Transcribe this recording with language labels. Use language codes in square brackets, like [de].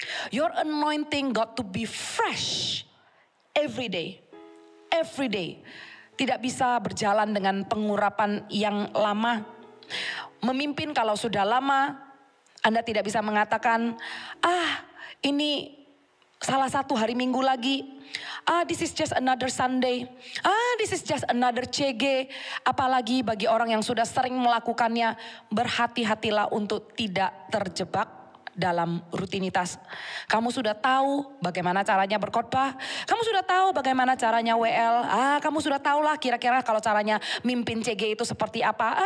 [en] Your anointing got to be fresh. Every day. Every day. [id] Tidak bisa berjalan dengan pengurapan yang lama. Memimpin kalau sudah lama. Anda tidak bisa mengatakan, ah ini salah satu hari minggu lagi. [en] Ah this is just another Sunday. Ah this is just another CG. [id] Apalagi bagi orang yang sudah sering melakukannya. Berhati-hatilah untuk tidak terjebak dalam rutinitas. Kamu sudah tahu bagaimana caranya berkhotbah. Kamu sudah tahu bagaimana caranya WL. Ah kamu sudah tahulah kira-kira kalau caranya mimpin CG itu seperti apa.